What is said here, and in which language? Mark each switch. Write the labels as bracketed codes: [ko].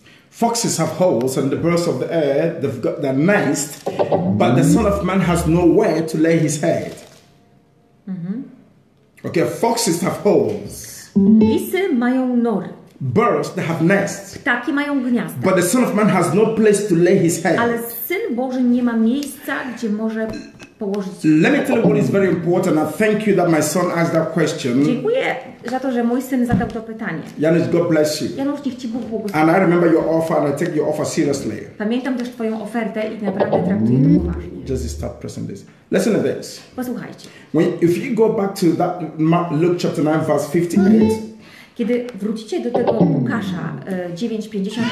[en] Foxes have holes and the birds of the air, they've got their nest, but the Son of Man has nowhere to lay his head. Mm-hmm. Okay, foxes have holes. [pl] Lisy mają nory. [en] Birds, they have nests. [pl] Ptaki mają gniazda. [en] But the Son of Man has no place to lay his head. [pl] Ale Syn Boży nie ma miejsca, gdzie może położyć. [en] Let me tell you what is very important. I thank you that my son asked that question. [pl] Dziękuję za to, że mój syn zadał to pytanie. [en] Janusz, God bless you. [pl] Janusz, niech Ci Bóg błogosławi. [en] And I remember your offer and I take your offer seriously. [pl] Pamiętam też Twoją ofertę i naprawdę traktuję to poważnie. [en] Just stop pressing this. Listen to this. [pl] Posłuchajcie. [en] When, if you go back to that Luke chapter 9 verse 58. [pl] Kiedy wrócicie do tego Łukasza 9:58.